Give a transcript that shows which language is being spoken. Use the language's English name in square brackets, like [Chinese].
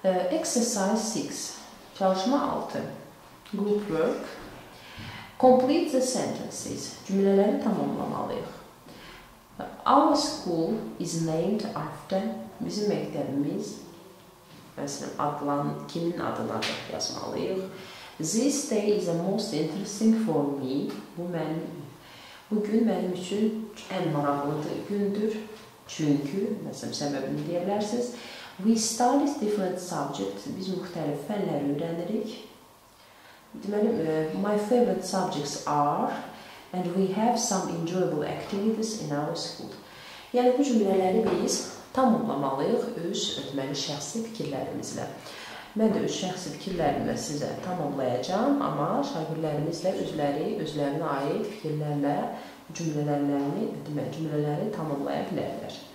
[English] Exercise 6. [Azerbaijani] Çalışma 6. [English] Group work. Complete the sentences. [Azerbaijani] Cümlələri tamamlamalıyıq. [English] Our school is named after [Azerbaijani] bizim məktəbimiz məsələn, adlan, kimin adına yazmalıyıq. [English] This day is the most interesting for me. [Azerbaijani] Bugün mənim üçün ən maraqlı gündür. Çünki, məsələn, səbəbini deyə bilərsiniz. [English] We study different subjects. [Azerbaijani] Biz müxtəlif fənləri öyrənirik. [English] Deməli, my favorite subjects are and we have some enjoyable activities in our school. [Azerbaijani] Yəni, bu cümlələri biz tamamlamalıyıq öz deməli, şəxsi fikirlərimizlə. Mən də öz şəxsi fikirlərimlə sizə tamamlayacağım, amma şagirdlərimizlə özlərinə aid fikirlərlə cümlələri tamamlaya bilərlər.